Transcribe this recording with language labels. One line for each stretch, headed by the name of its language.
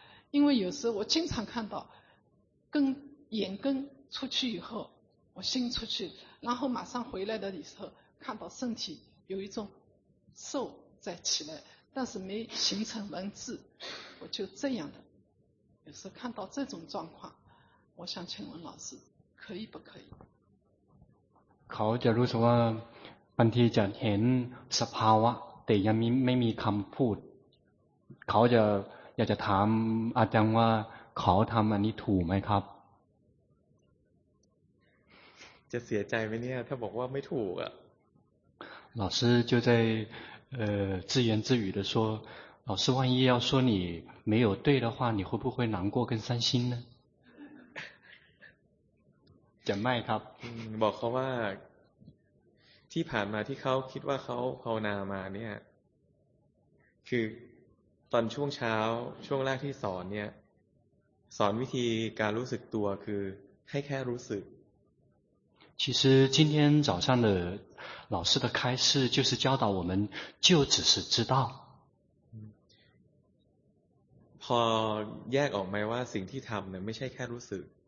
Chinese: 因为有时我经常看到跟眼根出去以后，我心出去，然后马上回来的时候看到身体有一种瘦在起来，但是没形成文字，我就这样的。有时看到这种状况，我想请问老师可以不可以。
Thai: เขาจะรู้สึกว่าบางทีจะเห็นสภาวะแต่ยังไม่มีคำพูดเขาจะอยากจะถามอาจารย์ว่าเขาทำอันนี้ถูกไหมครับ จะเสียใจไหมเนี่ยถ้าบอกว่าไม่ถูกอ่ะ
Chinese: 老师就在自言自语的说老师万一要说你没有对的话你会不会难过跟伤心呢
Thai: จะไม่ครับ บอกเขาว่าที่ผ่านมาที่เขาคิดว่าเขาภาวนามาเนี่ยคือตอนช่วงเช้าช่วงแรกที่สอนเนี่ยสอนวิธีการรู้สึกตัวคือให้แค่รู้สึก
Chinese: 其实今天早上的老师的开示就是教导我们就只是知道
Thai: พอแยกออกไหมว่าสิ่งที่ทำเนี่ยไม่ใช่แค่รู้สึก